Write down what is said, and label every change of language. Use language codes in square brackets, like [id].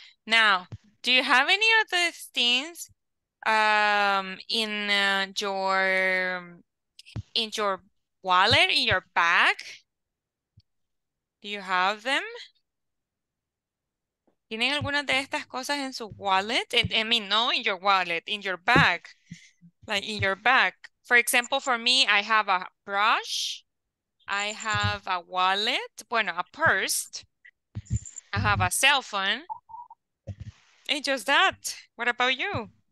[en] Now, do you have any of those things in your wallet, in your bag? Do you have them? [es] ¿Tienen alguna de estas cosas en su wallet? [en] I mean, no, in your wallet, in your bag. Like, in your bag. For example, for me, I have a brush. I have a wallet. Bueno, a purse. I have a cell phone. And just that. What about you?